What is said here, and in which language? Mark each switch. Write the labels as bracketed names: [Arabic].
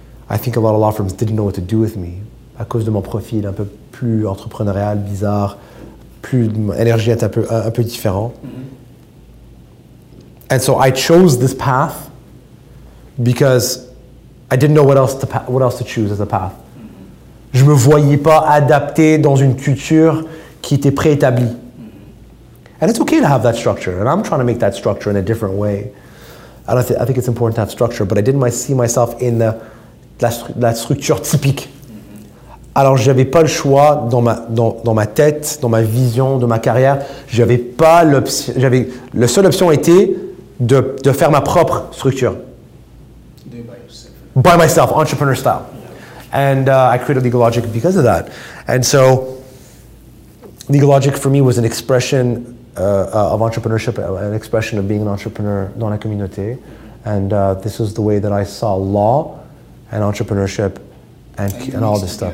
[English] I think a lot of law firms didn't know what to do with me [French] à cause de mon profil un peu plus entrepreneurial, bizarre, plus énergie est un peu différent. Mm-hmm. [English] And so I chose this path because I didn't know what else to choose as a path. Mm-hmm. [French] Je me voyais pas adapté dans une culture qui était préétablie. Mm-hmm. [English] And it's okay to have that structure and I'm trying to make that structure in a different way. I think it's important to have structure, but I didn't see myself in the [French] la structure typique. Alors, j'avais pas le choix dans ma tête, dans ma vision, de ma carrière. J'avais pas l'option. J'avais la seule option était de faire ma propre structure. [English] By yourself. By myself, entrepreneur style. Yeah. And I created LegalLogic because of that. And so, Legal Logic for me was an expression of entrepreneurship, an expression of being an entrepreneur [French] dans la communauté. [English] And this was the way that I saw law and entrepreneurship and all this stuff.